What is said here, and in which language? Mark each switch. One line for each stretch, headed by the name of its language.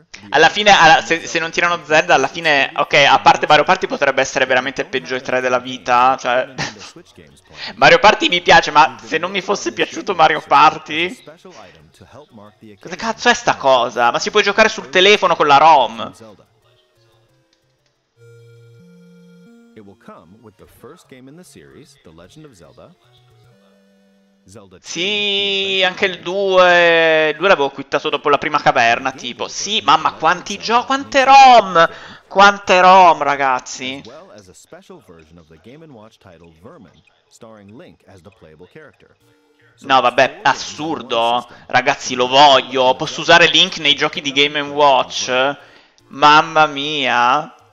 Italian: Alla fine, se non tirano Zelda, alla fine, ok, a parte Mario Party potrebbe essere veramente il peggio E3 della vita, cioè. Mario Party mi piace, ma se non mi fosse piaciuto Mario Party. Cosa cazzo è sta cosa? Ma si può giocare sul telefono con la ROM?
English: It will come with the first game in the series, The Legend of Zelda.
Italian: Zelda 2. Sì, anche il 2. Il 2 l'avevo quittato dopo la prima caverna. Tipo, sì, mamma, quanti giochi. Quante ROM! Quante ROM, ragazzi!
English: As a special version of the Game & Watch title Vermin, starring Link as the playable character.
Italian: No, vabbè, assurdo. Ragazzi, lo voglio. Posso usare Link nei giochi di Game & Watch? Mamma mia.